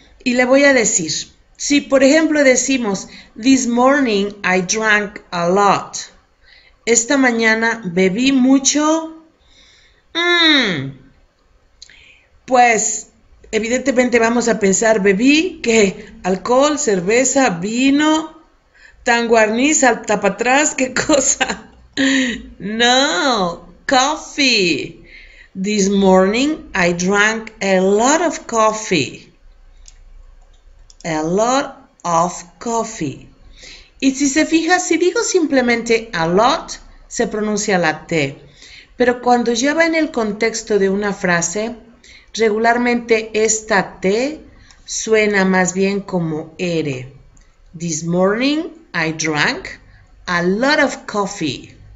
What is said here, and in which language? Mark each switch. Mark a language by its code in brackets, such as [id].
[es] Y le voy a decir, si por ejemplo decimos, [en] this morning I drank a lot, [es] esta mañana bebí mucho, pues evidentemente vamos a pensar, bebí que alcohol, cerveza, vino, tan guarniz, al tapatrás, qué cosa. [en] No, coffee. This morning I drank a lot of coffee. A lot of coffee. [es] Y si se fija, si digo simplemente a lot, se pronuncia la T. Pero cuando lleva en el contexto de una frase, regularmente esta T suena más bien como R. [en] This morning I drank a lot of coffee.